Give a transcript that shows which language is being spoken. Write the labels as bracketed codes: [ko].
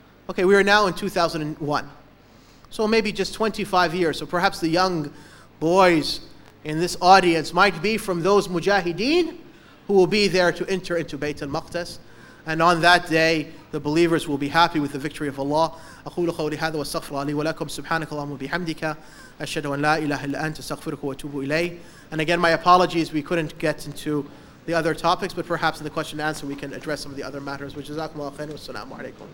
[en] Okay, we are now in 2001. So maybe just 25 years. So perhaps the young boys in this audience might be from those mujahideen who will be there to enter into Bayt al-Maqdis. And on that day, the believers will be happy with the victory of Allah. [ar] أقول قولي هذا واستغفر لي ولكم سبحانك اللهم وبحمدك أشهد أن لا إله إلا أنت استغفرك وأتوب إليه. [en] And again, my apologies, we couldn't get into the other topics, but perhaps in the question and answer, we can address some of the other matters. [ar] وجزاكم الله خيرا والسلام عليكم.